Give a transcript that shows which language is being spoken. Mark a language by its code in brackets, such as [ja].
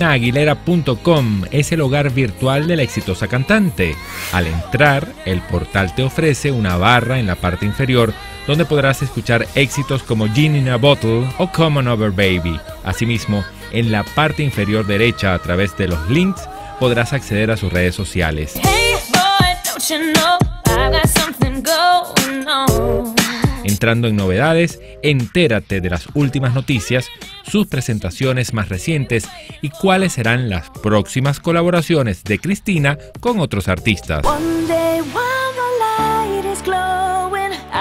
[es] Aguilera.com es el hogar virtual de la exitosa cantante. Al entrar, el portal te ofrece una barra en la parte inferior donde podrás escuchar éxitos como Genie in a Bottle o Come on Over Baby. Asimismo, en la parte inferior derecha, a través de los links, podrás acceder a sus redes sociales. [en] Hey boy, don't you know, I got something going on. [es] Entrando en novedades, entérate de las últimas noticias, sus presentaciones más recientes y cuáles serán las próximas colaboraciones de Christina con otros artistas. [en] One day while the light is glowing,